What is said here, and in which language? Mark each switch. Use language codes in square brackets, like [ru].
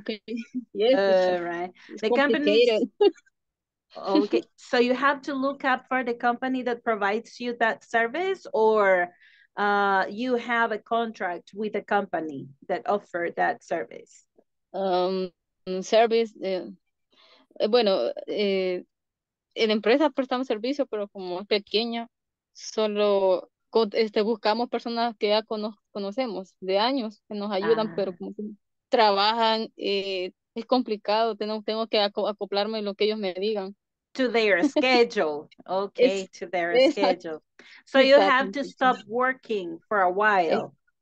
[en] Okay. Yes. Right. It's the company. Okay. So you have to look up for the company that provides you that service, or you have a contract with a company that offers that service. Service. [es] Bueno, en empresa prestamos servicio, pero como es pequeña. Solo buscamos personas que ya conocemos de años que nos ayudan, ah. Pero como trabajan, es complicado, tengo que acoplarme a lo que ellos me digan. [en] To their schedule, okay, to their schedule. So you have to stop working for a while.